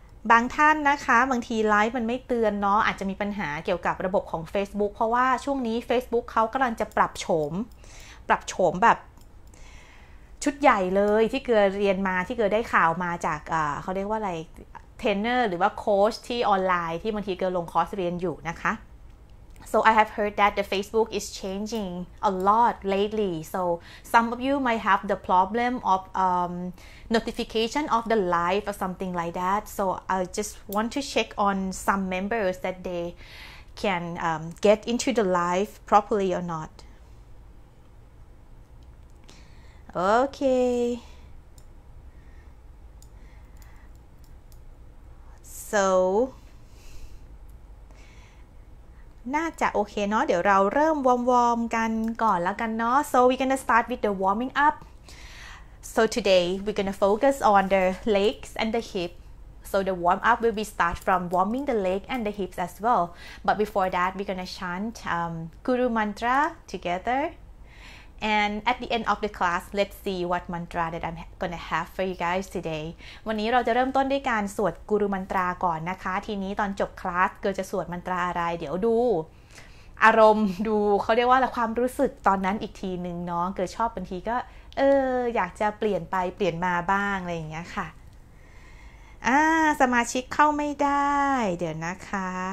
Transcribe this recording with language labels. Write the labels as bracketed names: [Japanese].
[Thai] บางท่านนะคะบางทีไลฟ์มันไม่เตือนเนาะอาจจะมีปัญหาเกี่ยวกับระบบของ Facebook เพราะว่าช่วงนี้ Facebook เขากำลังจะปรับโฉมแบบชุดใหญ่เลยที่เกิดเรียนมาที่เกิดได้ข่าวมาจากเขาเรียกว่าอะไรเทรนเนอร์หรือว่าโค้ชที่ออนไลน์ที่บางทีเกิดลงคอร์สเรียนอยู่นะคะ [English] So I have heard that the Facebook is changing a lot lately. So some of you might have the problem of notification of the live or something like that. So I just want to check on some members that they can get into the live properly or not. Okay. So... [Thai] น่าจะโอเคเนาะเดี๋ยวเราเริ่มวอร์มๆกันก่อนแล้วกันเนาะ [English] So we're gonna start with the warming up. So today we're gonna focus on the legs and the hip. So the warm up will be start from warming the leg and the hips as well. But before that we're gonna chant Guru Mantra together. And at the end of the class let's see what mantra that I'm gonna have for you guys today. [Thai] วันนี้เราจะเริ่มต้นด้วยการสวด Guru Mantra ก่อนนะคะทีนี้ตอนจบคลาสเกิดจะสวดมันตราอะไรเดี๋ยวดูอารมณ์ดูเขาเรียกว่าความรู้สึกตอนนั้นอีกทีนึงเนาะเกิดชอบบางทีก็อยากจะเปลี่ยนไปเปลี่ยนมาบ้างอะไรอย่างเงี้ยค่ะสมาชิกเข้าไม่ได้เดี๋ยวนะคะ